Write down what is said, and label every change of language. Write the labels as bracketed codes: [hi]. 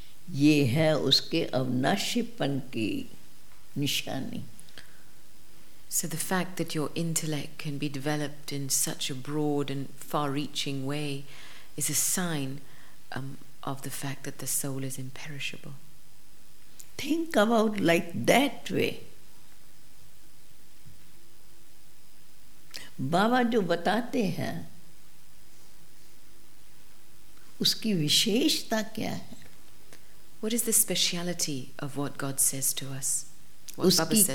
[hi] ये है उसके अविनाशीपन की निशानी. [en] So the fact that your intellect can be developed in such a broad and far-reaching way is a sign of the fact that the soul is imperishable. Think about like that way. [hi] बाबा जो बताते हैं उसकी विशेषता क्या है? [en] What is the speciality of what God says to us?